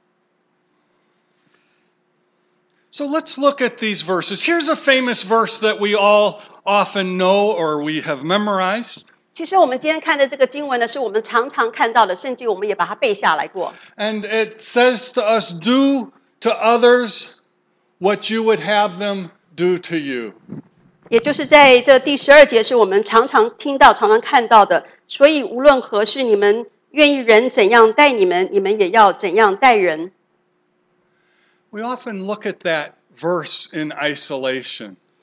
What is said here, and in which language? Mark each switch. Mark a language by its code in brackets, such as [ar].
[zh] 所以你看，我其实是很大胆的。今天在我旁边就站着我的太太，可是我要来做，来这样子讲这么一篇道，就该怎么样做个好配偶。 [en] So let's look at these verses. Here's a famous verse that we all often know or we have memorized. [zh] 其实我们今天看的这个经文呢，是我们常常看到的，甚至我们也把它背下来过。 [en] And it says to us, "Do to others what you would have them do to you." [zh] 也就是在这第十二节，是我们常常听到、常常看到的。所以，无论何事，你们愿意人怎样待你们，你们也要怎样待人。 [en] We often look at that verse in isolation.